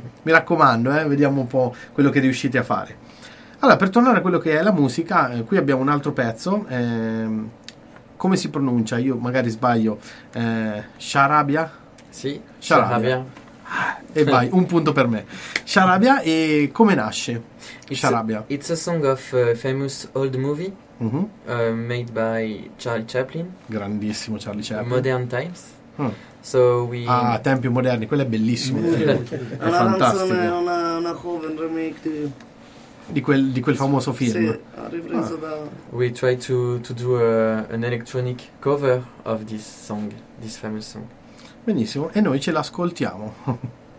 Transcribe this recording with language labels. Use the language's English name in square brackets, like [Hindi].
[Italian] Mi raccomando, vediamo un po' quello che riuscite a fare. Allora, per tornare a quello che è la musica, qui abbiamo un altro pezzo. Come si pronuncia? Io magari sbaglio. Sharabia? Sì, Sharabia. E vai, un punto per me. Sharabia, e come nasce Sharabia? [English] It's a song of a famous old movie. Mm-hmm. Made by Charlie Chaplin. [Italian] Grandissimo Charlie Chaplin. [English] Modern Times. So we [Italian] tempi moderni, quello è bellissimo. È fantastico. Una cover remake di quel famoso film. Sì, ripreso da. [English] We try to do an electronic cover of this song, this famous song. [Italian] Benissimo, e noi ce l'ascoltiamo.